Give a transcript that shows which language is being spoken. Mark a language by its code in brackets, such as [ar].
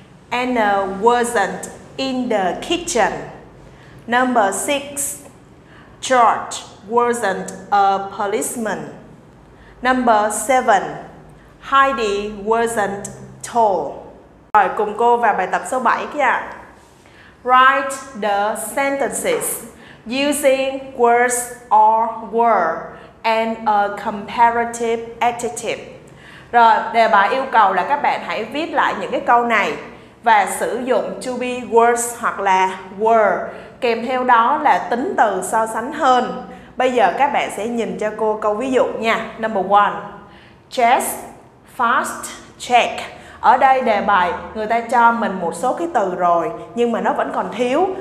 [en] Anna wasn't in the kitchen. Number 6. George wasn't a policeman. Number 7. Heidi wasn't tall. [vi] Rồi, cùng cô vào bài tập số 7 kìa. [en] Write the sentences using words or were and a comparative adjective. [vi] Rồi, đề bài yêu cầu là các bạn hãy viết lại những cái câu này và sử dụng to be words hoặc là were, kèm theo đó là tính từ so sánh hơn. Bây giờ các bạn sẽ nhìn cho cô câu ví dụ nha. [en] Number 1. Jess fast check. [vi] Ở đây đề bài người ta cho mình một số cái từ rồi nhưng mà nó vẫn còn thiếu.